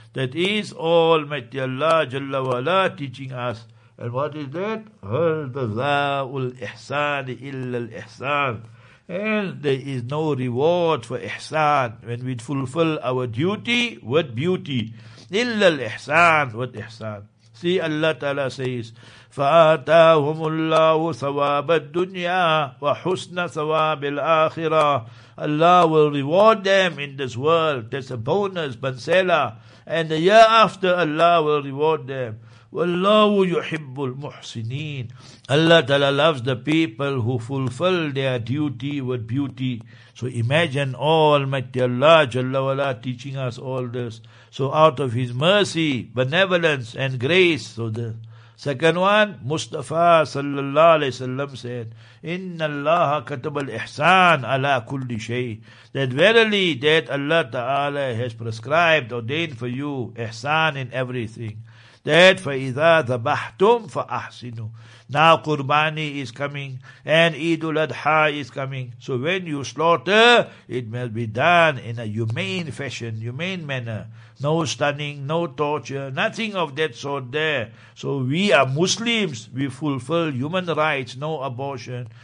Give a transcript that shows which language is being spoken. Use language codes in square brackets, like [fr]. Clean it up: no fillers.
[en] That is Almighty Allah Jalla wala teaching us. And what is that? [ar] هَلْ جَزَاءُ الْإِحْسَانِ إِلَّا الْإِحْسَانِ. [en] And there is no reward for ihsan when we fulfill our duty with beauty. [ar] إِلَّا الْإِحْسَانِ. [en] What ihsan? See, Allah Ta'ala says, [ar] فَآتَاهُمُ اللَّهُ ثَوَابَ الدُّنْيَا وَحُسْنَ ثَوَابِ الْآخِرَةِ. [en] Allah will reward them in this world. That's a bonus, bansela. And the year after, Allah will reward them. [ar] وَاللَّهُ يُحِبُّ الْمُحْسِنِينَ. [en] Allah Ta'ala loves the people who fulfill their duty with beauty. So imagine Almighty Allah Jalla Wala teaching us all this. So out of His mercy, benevolence and grace. So the second one, Mustafa Sallallahu Alaihi Wasallam said, [ar] إِنَّ اللَّهَ كَتَبَ الْإِحْسَانَ عَلَىٰ كُلِّ شَيْءٍ. [en] That verily that Allah Ta'ala has prescribed, ordained for you, ihsan in everything. That [ar] فَإِذَا ذَبَحْتُمْ فَأَحْسِنُوا. [en] Now Qurbani is coming and Eid al-Adha is coming. So when you slaughter, it must be done in a humane fashion, humane manner. No stunning, no torture, nothing of that sort there. So we are Muslims. We fulfill human rights, no abortion.